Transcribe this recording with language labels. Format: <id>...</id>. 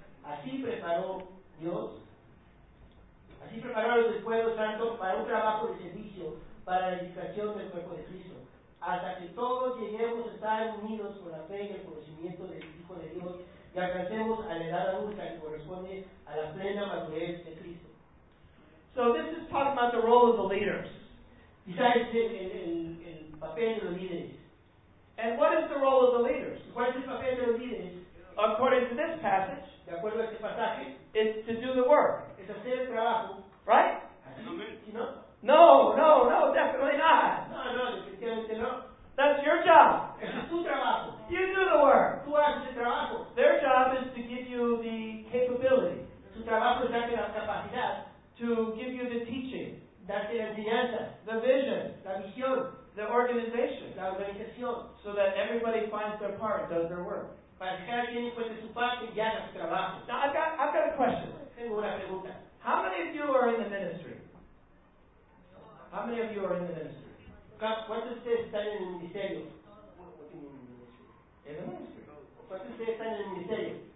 <es>Así preparó Dios. Así preparó a los del pueblo santo para un trabajo de servicio, para la edificación del cuerpo de Cristo. Hasta que todos lleguemos a estar unidos con la fe y el conocimiento del Hijo de Dios y alcancemos a la edad adulta que corresponde a la plena madurez de Cristo.</es> <en>So this is talking about the role of the leaders.</en> <es>Besides el papel de los líderes.</es> <en>And what is the role of the leaders?</en> <es>¿Cuál es el papel de los líderes?</es> <en>According to this passage,</en> <es>de acuerdo a este pasaje,</es> <en>is to do the work.</en> <es>Es hacer el trabajo.</es> <en>Right?</en> <es>No,</es> <en>definitely not.</en> <es>No, definitivamente no.</es> <en>That's your job.</en> <es>Es tu trabajo.</es> <en>You do the work.</en> <es>Tú haces el trabajo.</es> <en>Their job is to give you the capability.</en> <es>Su trabajo es darte la capacidad.</es> <en>To give you the teaching.</en> <es>Darte la enseñanza,</es> <en>the vision,</en> <es>la visión,</es> <en>the organization,</en> <es>la organización,</es> <en>so that everybody finds their part, does their work.</en> <es>Para que cada quien encuentre su parte y haga su trabajo.</es> <en>Now I've got a question.</en> <es>Tengo una pregunta.</es> <en>How many of you are in the ministry? How many of you are in the ministry?</en> <es>¿Cuántos de ustedes están en el ministerio? En el ministry. ¿Cuántos de ustedes están en el ministerio?</es>